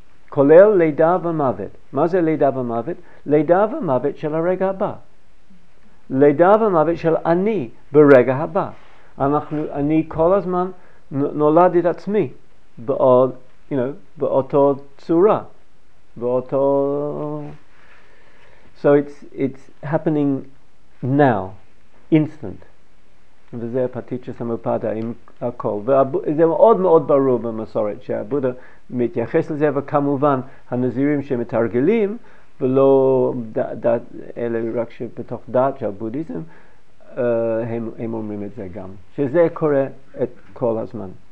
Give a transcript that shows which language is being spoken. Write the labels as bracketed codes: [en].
[he] כולל לידה ומוות. מה זה לידה ומוות? לידה ומוות של הרגע הבא. לידה ומוות של אני ברגע הבא. אני כל הזמן... נולד את עצמי בעוד, [en] you know, [he] באותו צורה, באותו... [en] So it's happening now, instant. [he] וזה פטיצ'ה סמופדה עם הכל. וזה מאוד מאוד ברור במסורת שהבודה מתייחס לזה, וכמובן הנזירים שמתרגלים, ולא דת, אלה רק שבתוך דת של בודיזם, הם אומרים את זה גם, שזה קורה את כל הזמן.